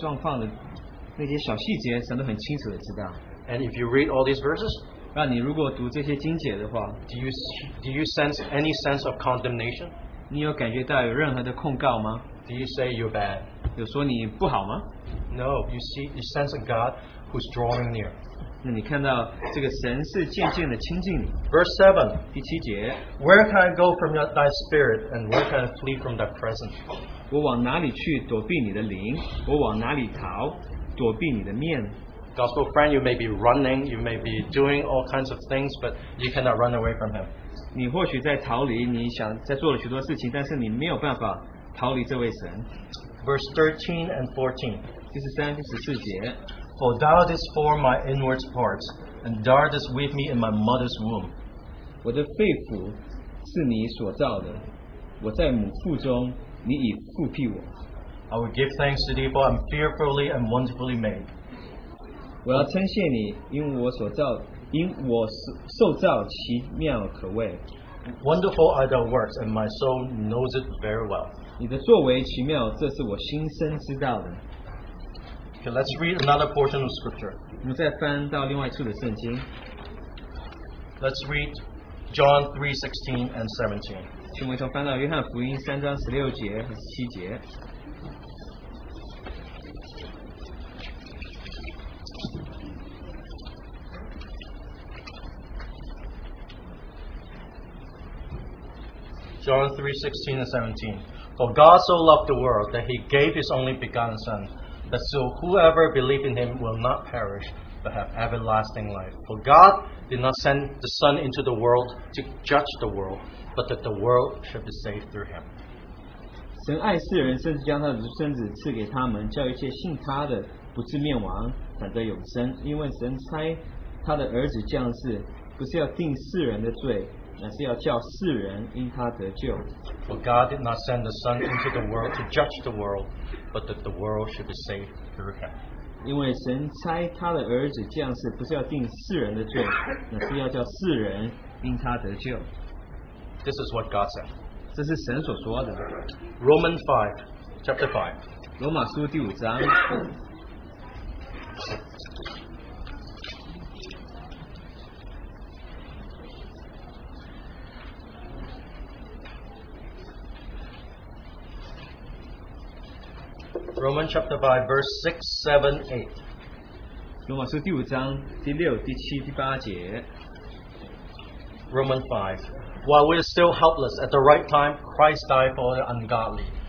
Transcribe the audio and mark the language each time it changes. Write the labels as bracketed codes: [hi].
[zh] 所有在你心里面的任何的细节，所有稍微让你偏离神创造你所取出的那个状况的那些小细节，神都很清楚的知道。 [en] And if you read all these verses, [zh] 让你如果读这些经节的话, [en] do you sense any sense of condemnation? [zh] 你有感觉到有任何的控告吗? [en] Do you say you're bad? [zh] 有说你不好吗? [en] No, you sense a God who's drawing near. [zh] 那你看到这个神是渐渐的亲近你。 [en] Verse 7, [zh] 第七节, [en] where can I go from thy spirit, and where can I flee from thy presence? [zh] 我往哪里去躲避你的灵?我往哪里逃躲避你的面? [en] Gospel friend, you may be running, you may be doing all kinds of things, but you cannot run away from him. [zh] 你或许在逃离, 你想在做了许多事情, [en] Verse 13 and 14. [zh] 第十三、第十四节, [en] For thou didst form my inward parts, and thou didst weave me in my mother's womb. [zh] 我的肺腑是你所造的, 我在母腹中, [en] I will give thanks to thee, for I'm fearfully and wonderfully made. [zh] 我要称谢你, 因我所造, 因我受造奇妙可畏。 [en] Wonderful are thy works, and my soul knows it very well. [zh] 你的作为奇妙, 这是我心深知道的。 [en] Okay, let's read another portion of scripture. [zh] 我们再翻到另外一处的圣经。 [en] Let's read John 3:16 and 17. [zh] 请我们从翻到约翰福音3章16节和17节。 [en] John 3:16 and 17. For God so loved the world that he gave his only begotten Son, that so whoever believes in him will not perish, but have everlasting life. For God did not send the Son into the world to judge the world, but that the world should be saved through him. [zh] 神爱世人，甚至将他的独生子赐给他们，叫一切信他的，不至灭亡，反得永生。因为神差他的儿子降世，不是要定世人的罪。 [en] For God did not send the Son into the world to judge the world, but that the world should be saved through him. This is what God said. [zh] 这是神所说的。 [en] Romans 5, chapter 5. [zh] 罗马书第五章。 [en] Romans chapter 5, verse 6, 7, 8. [zh] 罗马书第五章第六、第七、第八节。 [en] Romans 5. While we are still helpless, at the right time, Christ died for the ungodly.